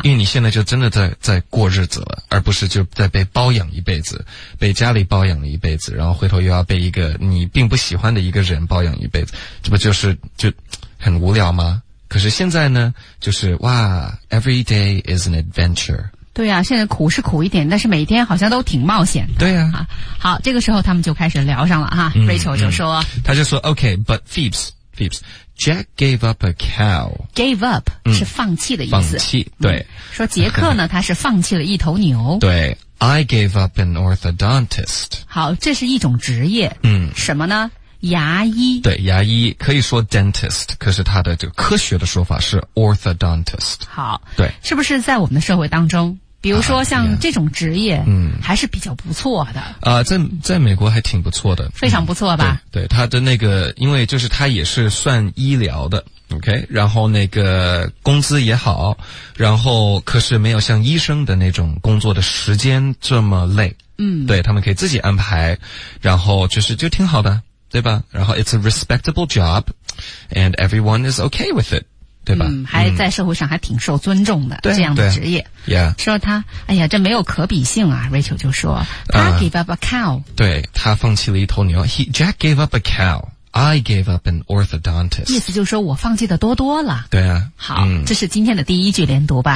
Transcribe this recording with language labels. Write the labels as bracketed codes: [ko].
[zh] yeah, 因为你现在就真的在过日子了，而不是就在被包养一辈子，被家里包养了一辈子，然后回头又要被一个你并不喜欢的一个人包养一辈子，这不就是就很无聊吗？可是现在呢就是哇， [en] Every day is an adventure。 [zh] 对啊，现在苦是苦一点，但是每天好像都挺冒险的。对 啊好，这个时候他们就开始聊上了哈。 Rachel 就说，他就说 [en] OK, but Phoebs, Jack gave up a cow. [zh] Gave up 是放弃的意思。放弃，对。说杰克呢，他是放弃了一头牛。 [en] 对， I gave up an orthodontist. [zh] 好，这是一种职业。什么呢？牙医。对，牙医可以说 dentist, 可是他的这个科学的说法是 orthodontist。好，对，是不是在我们的社会当中比如说像这种职业还是比较不错的啊？Yeah, 在美国还挺不错的。非常不错吧。对，他的那个因为就是他也是算医疗的 OK, 然后那个工资也好，然后可是没有像医生的那种工作的时间这么累。对，他们可以自己安排，然后就是就挺好的，对吧？ [en] 然后 it's a respectable job and everyone is okay with it，对吧？ [zh] 还在社会上还挺受尊重的，这样的职业。 [en] Yeah. [zh] 说他，哎呀，这没有可比性啊 ！Rachel 就说，他 [en] gave up a cow， [zh] 对他放弃了一头牛。 [en] Jack gave up a cow. I gave up an orthodontist. [zh] 意思就是说我放弃的多多了。对啊。好，这是今天的第一句连读吧？